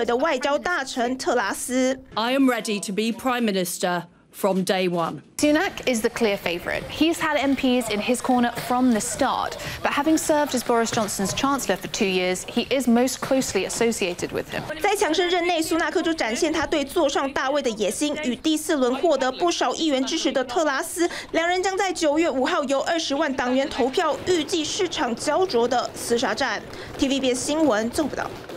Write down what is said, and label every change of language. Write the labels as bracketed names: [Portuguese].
[Chinese] 强生的继任人选之争，无论投票几下国际贸易副大臣摩丹特，最终进入决选不负众望有前财政大臣苏纳克，还有被比喻成铁娘子柴契尔的外交大臣特拉斯。 [English] I am ready to be Prime Minister from day one. Sunak is the clear favourite. He's had MPs in his corner from the start, but having served as Boris Johnson's Chancellor for 2 years, he is most closely associated with him. [Chinese] 在强生任内，苏纳克就展现他对坐上大位的野心。与第四轮获得不少议员支持的特拉斯，两人将在9月5号由20万党员投票，预计市场焦灼的厮杀战。TVBS 新闻，郑不道。